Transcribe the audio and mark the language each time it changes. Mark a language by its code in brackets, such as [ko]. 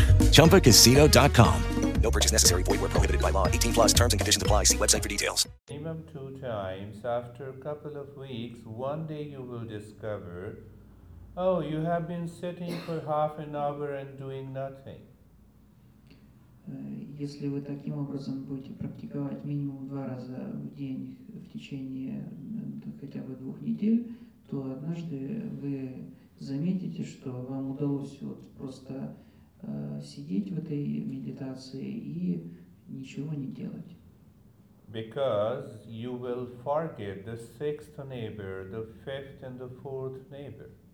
[en] Chumbacasino.com. No purchase necessary. Void where prohibited by law. 18 plus terms and conditions apply. See website for details. Minimum two times after a couple of weeks, one day you will discover, oh, you have been sitting for half an hour and doing nothing. [ru] Если вы таким образом будете практиковать минимум два раза в день в течение хотя бы двух недель, то однажды вы заметите, что вам удалось вот просто сидеть в этой медитации и ничего не делать. [en] Because you will forget the sixth neighbor, the fifth and the fourth neighbor.